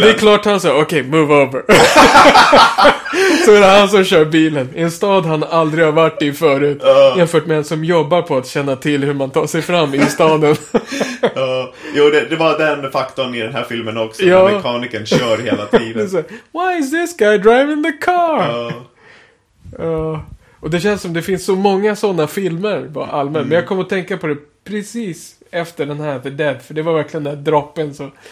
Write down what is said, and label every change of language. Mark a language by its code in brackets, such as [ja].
[sv] Så det är klart han säger, okej, [en] move over. [sv] Så är det han som kör bilen. I en stad han aldrig har varit i förut. Jämfört med en som jobbar på att känna till hur man tar sig fram i staden. Jo, det var den faktorn i den här filmen också. Ja. När mekanikern kör hela tiden. [en] Så, why is this guy driving the car? [sv] Och det känns som det finns så många sådana filmer bara allmänt. Mm. Men jag kom att tänka på det precis efter den här The Dead. För det var verkligen den där droppen så...